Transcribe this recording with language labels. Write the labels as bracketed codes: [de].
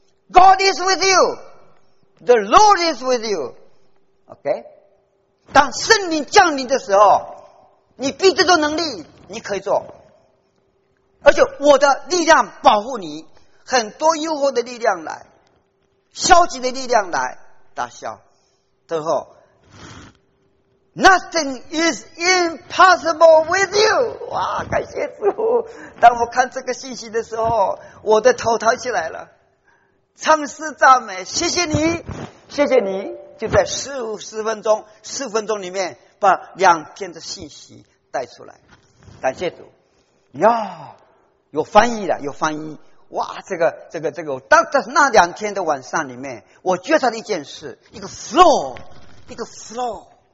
[en] God is with you. The Lord is with you. OK? [zh] 当圣灵降临的时候，你必得到能力，你可以做。而且我的力量保护你，很多诱惑的力量来，消极的力量来，打消。最后 [en] ,Nothing is impossible with you. [zh] 哇，感谢主。当我看这个信息的时候，我的头抬起来了。唱诗赞美，谢谢你，谢谢你，就在四分钟里面把两篇的信息带出来，感谢主呀，有翻译了，有翻译，哇，这个，当在那两天的晚上里面，我觉察了一件事，一个 flow，